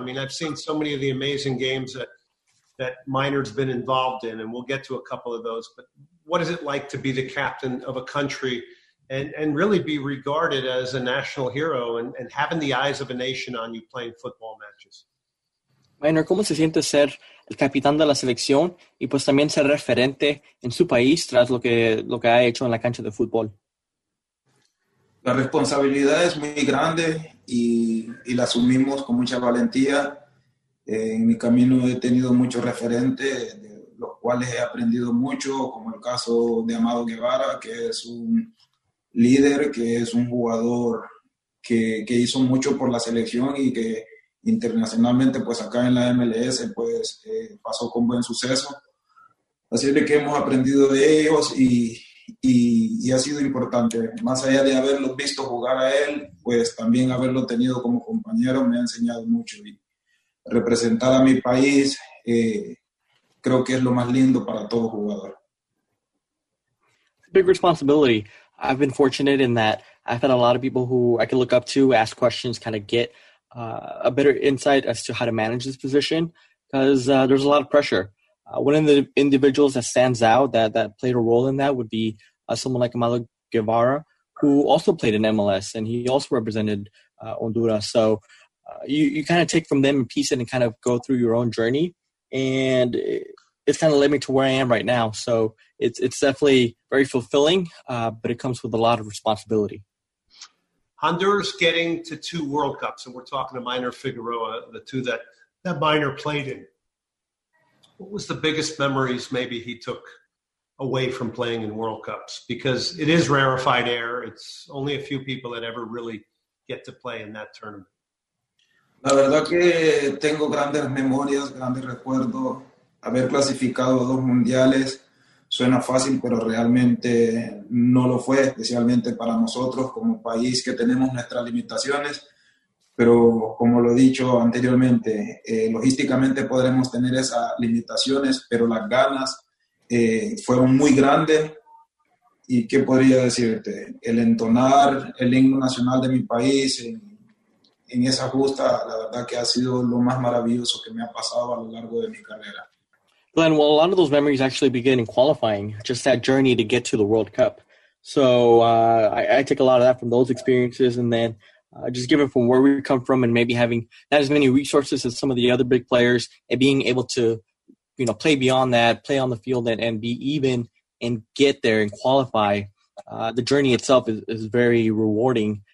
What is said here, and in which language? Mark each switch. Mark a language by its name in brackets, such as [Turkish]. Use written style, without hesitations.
[English] I mean, I've seen so many of the amazing games that Minor's been involved in, and we'll get to a couple of those. But what is it like to be the captain of a country and really be regarded as a national hero and having the eyes of a nation on you playing football matches? [Spanish] Minor, ¿cómo se siente ser el capitán de la selección y pues también ser referente en su país tras lo que ha hecho en la cancha de fútbol? La responsabilidad es muy grande y la asumimos con mucha valentía. En mi camino he tenido muchos referentes, de los cuales he aprendido mucho, como el caso de Amado Guevara, que es un líder, que es un jugador que hizo mucho por la selección y que internacionalmente, pues acá en la MLS, pues pasó con buen suceso. Así es que hemos aprendido de ellos y ha sido importante. Más allá de haberlo visto jugar a él, pues también haberlo tenido como compañero me ha enseñado mucho. Y representar a mi país creo que es lo más lindo para todo jugador. [English] Big responsibility. I've been fortunate in that I've had a lot of people who I can look up to, ask questions, kind of get a better insight as to how to manage this position, because there's a lot of pressure. One of the individuals that stands out that played a role in that would be someone like Amado Guevara, who also played in MLS, and he also represented Honduras. So you kind of take from them and piece it and kind of go through your own journey, and it's kind of led me to where I am right now. So it's definitely very fulfilling, but it comes with a lot of responsibility. Honduras getting to two World Cups, and we're talking to Minor Figueroa, the two that Minor played in. What was the biggest memories maybe he took away from playing in World Cups? Because it is rarefied air. It's only a few people that ever really get to play in that tournament. [Spanish] La verdad que tengo grandes memorias, grandes recuerdos. Haber clasificado dos mundiales suena fácil, pero realmente no lo fue, especialmente para nosotros como país que tenemos nuestras limitaciones. Pero como lo he dicho anteriormente, logísticamente podremos tener esas limitaciones, pero las ganas fueron muy grandes. ¿Y qué podría decirte? El entonar el himno nacional de mi país en esa justa, la verdad que ha sido lo más maravilloso que me ha pasado a lo largo de mi carrera. [English] Glenn, well, a lot of those memories actually begin in qualifying, just that journey to get to the World Cup. So I take a lot of that from those experiences. And then just given from where we come from and maybe having not as many resources as some of the other big players and being able to, you know, play beyond that, play on the field and be even and get there and qualify, the journey itself is very rewarding.